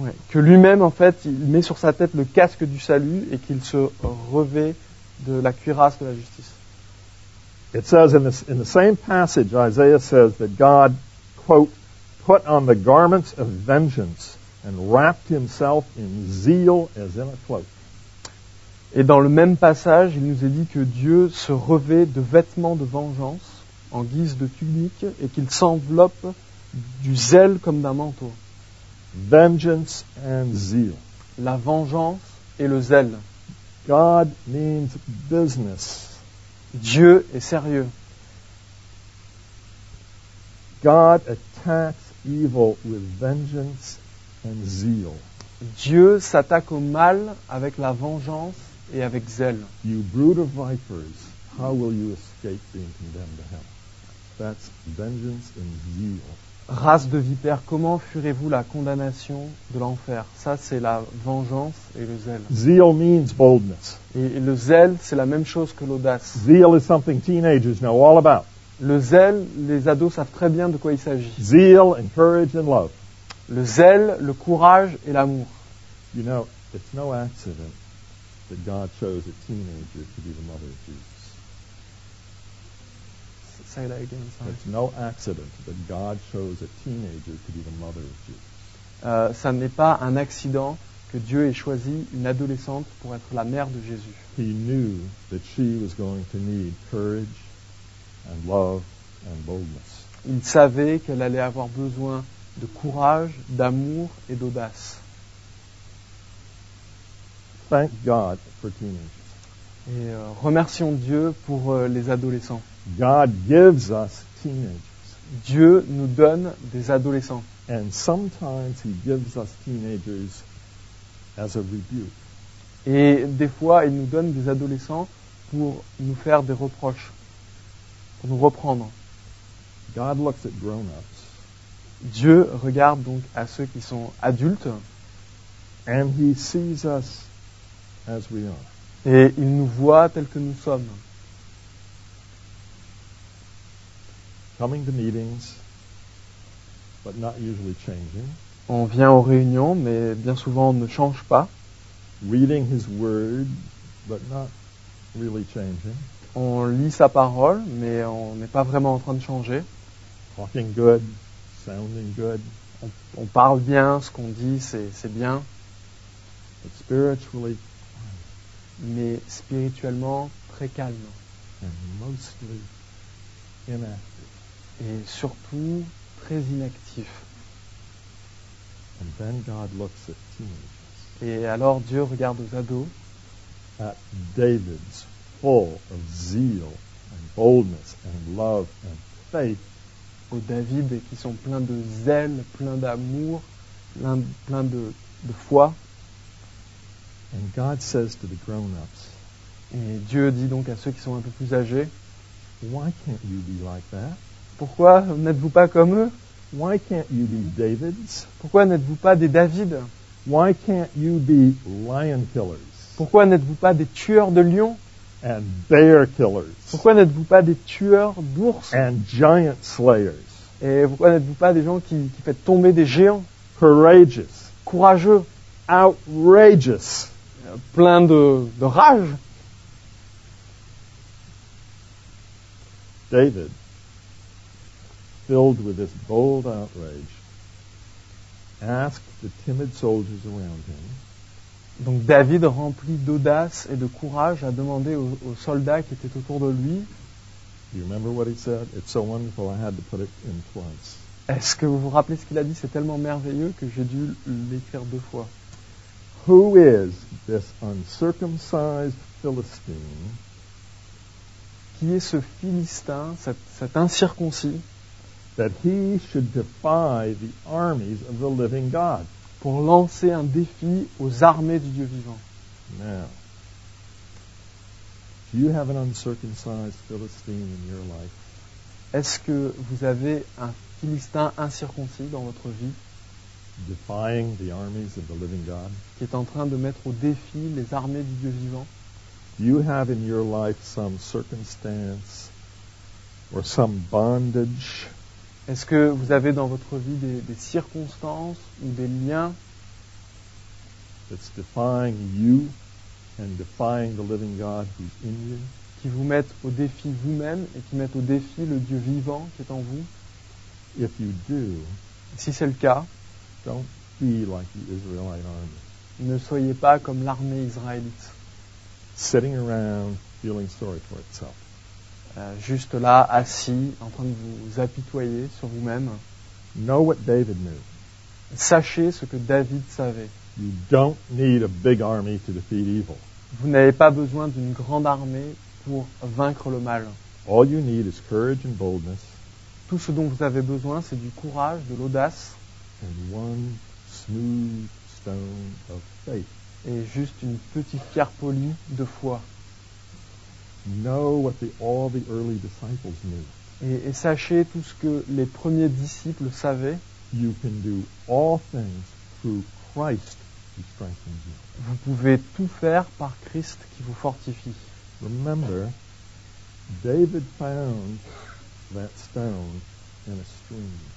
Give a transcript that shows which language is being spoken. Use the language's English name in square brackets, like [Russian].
[French] Que lui-même, en fait, il met sur sa tête le casque du salut et qu'il se revêt de la cuirasse de la justice. [English] It says in the same passage, Isaiah says that God, quote, put on the garments of vengeance and wrapped himself in zeal as in a cloak. [French] Et dans le même passage, il nous est dit que Dieu se revêt de vêtements de vengeance en guise de tunique et qu'il s'enveloppe du zèle comme d'un manteau. [English] Vengeance and zeal. [French] La vengeance et le zèle. [English] God means business. [French] Dieu est sérieux. [English] God attacks evil with vengeance and zeal. [French] Dieu s'attaque au mal avec la vengeance et avec zèle. [English] You brood of vipers, how will you escape being condemned to hell? That's vengeance and zeal. [French] Race de vipères, comment fuirez-vous la condamnation de l'enfer? Ça, c'est la vengeance et le zèle. [English] Zeal means boldness. [French] Et le zèle, c'est la même chose que l'audace. [English] Zeal is something teenagers know all about. [French] Le zèle, les ados savent très bien de quoi il s'agit. [English] Zeal and courage and love. [French] Le zèle, le courage et l'amour. [English] You know, it's no accident that God chose a teenager to be the mother of Jesus. Say that again, son. It's no accident that God chose a teenager to be the mother of Jesus. [French] Ça n'est pas un accident que Dieu ait choisi une adolescente pour être la mère de Jésus. [English] He knew that she was going to need courage and love and boldness. [French] Il savait qu'elle allait avoir besoin de courage, d'amour et d'audace. [English] Thank God for teenagers. [French] Et remercions Dieu pour les adolescents. [English] God gives us teenagers. [French] Dieu nous donne des adolescents. [English] And sometimes he gives us teenagers as a rebuke. [French] Et des fois, il nous donne des adolescents pour nous faire des reproches, pour nous reprendre. [English] God looks at grown-ups. [French] Dieu regarde donc à ceux qui sont adultes. [English] And he sees us as we are. [French] Et il nous voit tel que nous sommes. [English] Coming to meetings, but not usually changing. [French] On vient aux réunions, mais bien souvent on ne change pas. [English] Reading his word, but not really changing. [French] On lit sa parole, mais on n'est pas vraiment en train de changer. [English] Talking good, sounding good. [French] On parle bien, ce qu'on dit, c'est bien. [English] But spiritually, [French] mais spirituellement très calme. [English] And mostly inactive. [French] Et surtout très inactif. [English] And then God looks at teenagers. [French] Et alors Dieu regarde aux ados. [English] At David's full of zeal and boldness and love and faith. [French] Aux David qui sont pleins de zèle, pleins d'amour, pleins de foi. [English] And God says to the grown-ups, [French] et Dieu dit donc à ceux qui sont un peu plus âgés, [English] why can't you be like that? [French] Pourquoi n'êtes-vous pas comme eux? [English] Why can't you be Davids? [French] Pourquoi n'êtes-vous pas des Davids? [English] Why can't you be lion killers? [French] Pourquoi n'êtes-vous pas des tueurs de lions? [English] And bear killers. [French] Pourquoi n'êtes-vous pas des tueurs d'ours? [English] And giant slayers. [French] Et pourquoi n'êtes-vous pas des gens qui font tomber des géants? [English] Courageous. [French] Courageux. [English] Outrageous. [French] Plein de rage. [English] David, filled with this bold outrage, asked the timid soldiers around him. [French] Donc David, rempli d'audace et de courage, a demandé aux soldats qui étaient autour de lui. [English] You remember what he said? It's so wonderful I had to put it in twice. [French] Est-ce que vous vous rappelez ce qu'il a dit? C'est tellement merveilleux que j'ai dû l'écrire deux fois. [English] Who is this uncircumcised Philistine? [French] Qui est ce Philistin, cet incirconcis? [English] That he should defy the armies of the living God. [French] Pour lancer un défi aux armées du Dieu vivant. [English] Now, do you have an uncircumcised Philistine in your life? [French] Est-ce que vous avez un Philistin incirconcis dans votre vie? [English] Defying the armies of the living God. [French] Qui est en train de mettre au défi les armées du Dieu vivant. [English] Do you have in your life some circumstance or some bondage? [French] Est-ce que vous avez dans votre vie des circonstances ou des liens? [English] That's defying you and defying the living God who's in you. [French] Qui vous mettent au défi vous-même et qui mettent au défi le Dieu vivant qui est en vous. [English] If you do, [French] si c'est le cas, [English] don't be like the Israelite army. [French] Ne soyez pas comme l'armée israélite. [English] Sitting around feeling sorry for itself. [French] Juste là, assis, en train de vous apitoyer sur vous-même. [English] Know what David knew. [French] Sachez ce que David savait. [English] You don't need a big army to defeat evil. [French] Vous n'avez pas besoin d'une grande armée pour vaincre le mal. [English] All you need is courage and boldness. [French] Tout ce dont vous avez besoin, c'est du courage, de l'audace. [English] And one smooth stone of faith. [French] Et juste une petite pierre polie de foi. [English] Know what all the early disciples knew. [French] Et sachez tout ce que les premiers disciples savaient. [English] You can do all things through Christ who strengthens you. [French] Vous pouvez tout faire par Christ qui vous fortifie. [English] Remember, David found that stone in a stream.